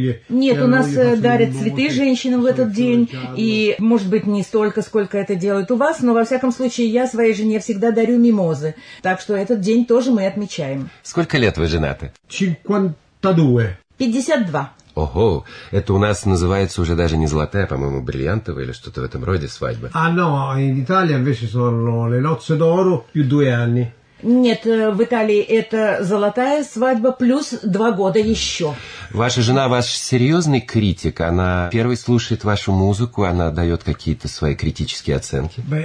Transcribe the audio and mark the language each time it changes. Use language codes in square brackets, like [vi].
[ru] Нет, у нас дарят цветы женщинам в этот день, и, может быть, не столько, сколько это делают у вас, но, во всяком случае, я своей жене всегда дарю мимозы, так что этот день тоже мы отмечаем. Сколько лет вы женаты? 52. 52. Ого, это у нас называется уже даже не золотая, по-моему, бриллиантовая или что-то в этом роде свадьба. [it] А, no, in Italia invece sono le nozze d'oro più due anni. [ru] Нет, в Италии это золотая свадьба плюс 2 года еще. Ваша жена ваш серьезный критик, она первый слушает вашу музыку, она дает какие-то свои критические оценки.